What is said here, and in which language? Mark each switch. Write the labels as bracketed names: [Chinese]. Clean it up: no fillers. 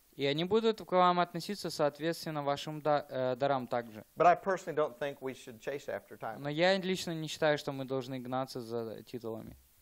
[Russian] И они будут к вам относиться соответственно вашим дарам также. [English] But I personally don't think we should chase after titles. [Russian] Но я лично не считаю, что мы должны гнаться за титулами.